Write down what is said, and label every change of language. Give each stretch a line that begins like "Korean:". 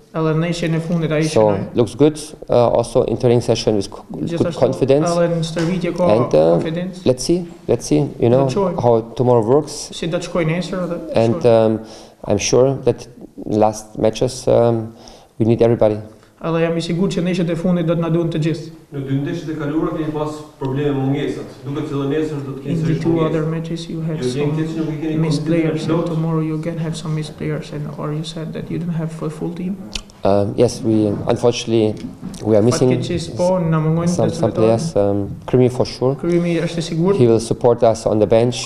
English: So, looks good. Also, entering session with good confidence. And let's see, you know, how tomorrow works. And I'm sure that last matches we need everybody.
Albanian: Alla jam I sigurt që nesër të fundit do të na duan të gjithë. Në dy ndeshjet e kaluara kemi pas probleme mungesat. Duket se nesër do të kemi sërish.
English: In two other matches you had some missed players. So tomorrow you can have some missed players, and or you said that you don't have a full team. Yes, we unfortunately we are missing some players. Krimi for sure.
Albanian: Krimi është I sigurt.
English: He will support us on the bench.